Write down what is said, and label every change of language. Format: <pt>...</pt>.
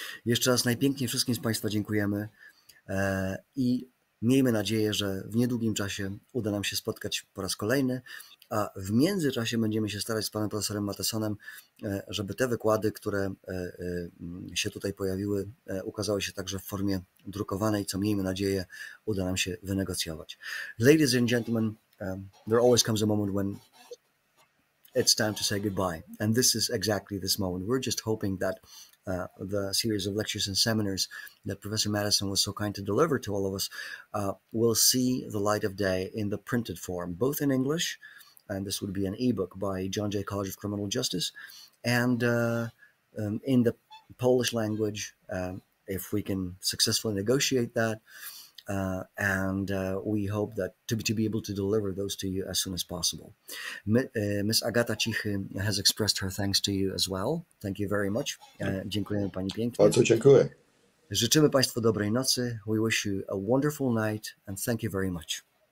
<pl>Jeszcze raz najpiękniej wszystkim z Państwa dziękujemy i miejmy nadzieję, że w niedługim czasie uda nam się spotkać po raz kolejny, a w międzyczasie będziemy się starać z panem profesorem Mattesonem, żeby te wykłady, które się tutaj pojawiły, ukazały się także w formie drukowanej, co miejmy nadzieję uda nam się wynegocjować.</pl> <en>Ladies and gentlemen, there always comes a moment when it's time to say goodbye. And this is exactly this moment. We're just hoping that the series of lectures and seminars that Professor Mattesona was so kind to deliver to all of us will see the light of day in the printed form, both in English, and this would be an ebook by John Jay College of Criminal Justice, and in the Polish language, if we can successfully negotiate that. We hope that to be able to deliver those to you as soon as possible. Miss Agata Cichy has expressed her thanks to you as well. Thank you very much.</en> <pl>Dziękujemy pani pięknie. Bardzo dziękuję. Życzymy państwu dobrej nocy.</pl> <en>We wish you a wonderful night and thank you very much.</en>